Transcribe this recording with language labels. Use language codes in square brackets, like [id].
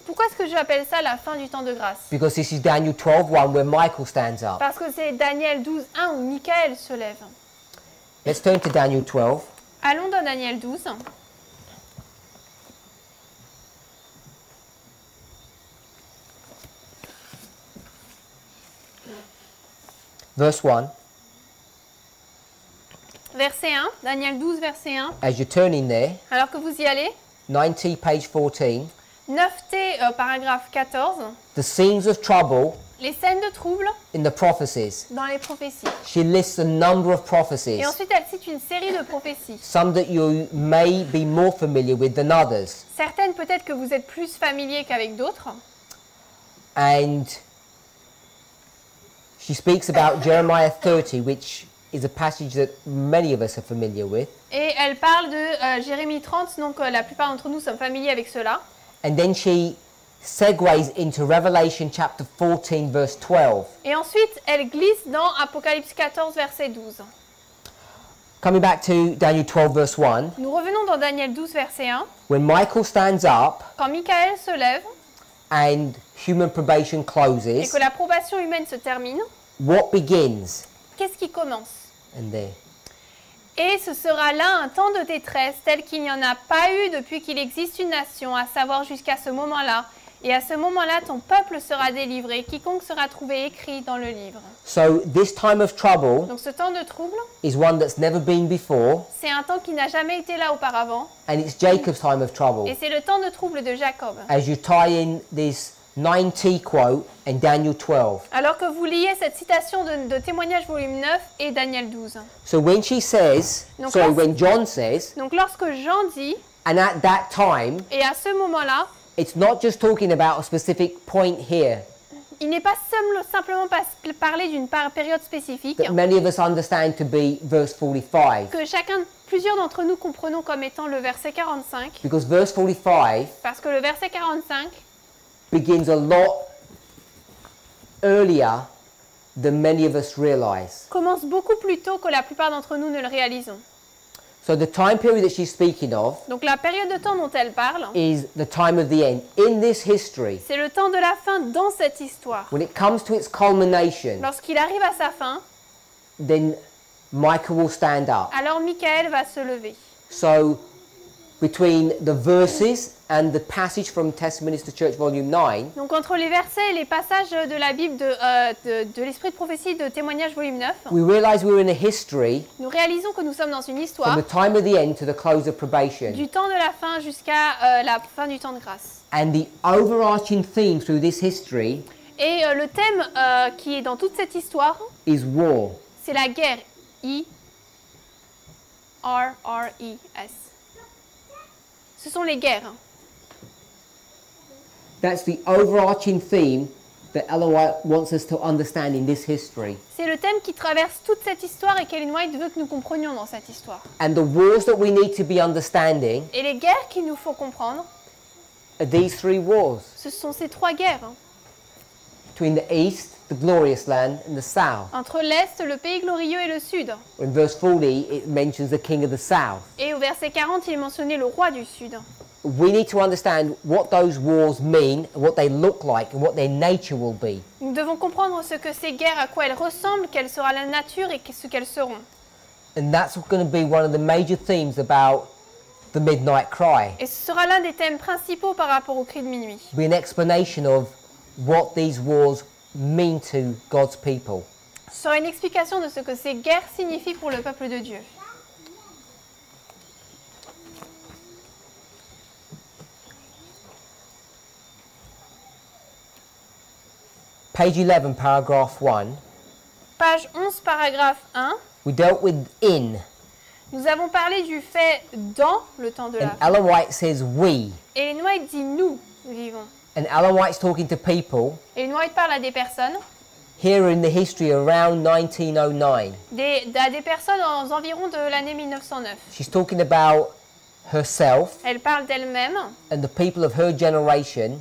[fr] Pourquoi est-ce que je appelle ça la fin du temps de grâce? [en] Because this is Daniel 12, 1, where Michael stands up. [fr] Parce que c'est Daniel 12, 1, où Michael se lève. [en] Let's turn to Daniel 12. [fr] Allons dans Daniel 12. [en] Verse 1. [fr] Verset 1, Daniel 12, verset 1. [en] As you turn in, [fr] alors que vous y allez. [en] 90, page 14. [fr] 9T, paragraphe 14. [en] The scenes of trouble. [fr] Les scènes de trouble. [en] In the prophecies. [fr] Dans les prophéties. [en] She lists a number of prophecies. [fr] Et ensuite, elle cite une série de prophéties. [en] Some that you may be more familiar with than others. [fr] Certaines, peut-être que vous êtes plus familier qu'avec d'autres. [en] And she speaks about Jeremiah 30, which is a passage that many of us are familiar with. [fr] Et elle parle de Jérémie 30, donc la plupart d'entre nous sommes familiers avec cela. [en] And then she segues into Revelation chapter 14, verse 12. [fr] Et ensuite, elle glisse dans Apocalypse 14, verset 12. [en] Coming back to Daniel 12, verse 1. [fr] Nous revenons dans Daniel 12, verset 1. [en] When Michael stands up. [fr] Quand Michael se lève. [en] And human probation closes. [fr] Et que la probation humaine se termine. [en] What begins? [fr] Qu'est-ce qui commence? [en] And there. [fr] Et ce sera là un temps de détresse tel qu'il n'y en a pas eu depuis qu'il existe une nation, à savoir jusqu'à ce moment-là. Et à ce moment-là, ton peuple sera délivré, quiconque sera trouvé écrit dans le livre. [en] So, this time of trouble, [fr] donc ce temps de trouble, [en] is one that's never been before, [fr] c'est un temps qui n'a jamais été là auparavant. [en] And it's Jacob's time of trouble. [fr] Et c'est le temps de trouble de Jacob. [en] As you tie in this 90 quote and Daniel 12. [fr] Alors que vous liez cette citation de témoignage volume 9 et Daniel 12. [en] So when she says, when John says, [fr] donc lorsque Jean dit, [en] and at that time, [fr] et à ce moment-là, [en] it's not just talking about a specific point here. [fr] Il n'est pas simplement parler d'une période spécifique. [en] That many of us understand to be verse 45. [fr] Que chacun, plusieurs d'entre nous comprenons comme étant le verset 45. [en] Because verse 45. [fr] Parce que le verset 45 [en] begins a lot earlier than many of us realize. [fr] Commence beaucoup plus tôt que la plupart d'entre nous ne le réalisons. [en] So the time period that she's speaking of, [fr] donc la période de temps dont elle parle, [en] is the time of the end in this history. [fr] C'est le temps de la fin dans cette histoire. [en] When it comes to its culmination, [fr] lorsqu'il arrive à sa fin, [en] then Michael will stand up. [fr] Alors Michael va se lever. [en] So between the verses and the passage from Testimonies to Church volume 9. [fr] Donc entre les versets et les passages de la Bible de l'Esprit de prophétie de Témoignages volume 9. [en] We realize we're in a history. [fr] Nous réalisons que nous sommes dans une histoire. [en] From the time of the end to the close of probation. [fr] Du temps de la fin jusqu'à la fin du temps de grâce. [en] And the overarching theme through this history. [fr] Et le thème qui est dans toute cette histoire [en] is war. [fr] C'est la guerre. E-R-R-E-S. Ce sont les guerres. [en] That's the overarching theme that Ellen White wants us to understand in this history. [fr] C'est le thème qui traverse toute cette histoire et qu'Ellen White veut que nous comprenions dans cette histoire. [en] And the wars that we need to be understanding. [fr] Et les guerres qu'il nous faut comprendre. [en] Are these three wars. [fr] Ce sont ces trois guerres. [en] Between the east, the glorious land, and the south. [fr] Entre l'est, le pays glorieux, et le sud. [en] In verse 40, it mentions the king of the south. [fr] Et au verset 40, il est mentionné le roi du sud. [en] We need to understand what those wars mean, what they look like, and what their nature will be. [fr] Nous devons comprendre ce que ces guerres, à quoi elles ressemblent, quelle sera la nature et ce qu'elles seront. [en] And that's going to be one of the major themes about the midnight cry. [fr] Et ce sera l'un des thèmes principaux par rapport au cri de minuit. [en] Be an explanation of what these wars mean to God's people. [fr] Ce sera une explication de ce que ces guerres signifient pour le peuple de Dieu. [en] Page 11, paragraph 1. [fr] Page 11, paragraphe 1. [en] We dealt with in. [fr] Nous avons parlé du fait dans le temps de la fin. [en] And Ellen White says we. [fr] Et Ellen White dit nous vivons. [en] And Ellen White's talking to people. [fr] Et Ellen White parle à des personnes. [en] Here in the history around 1909. [fr] À des personnes aux environs de l'année 1909. [en] She's talking about herself. [fr] Elle parle d'elle-même. [en] And the people of her generation.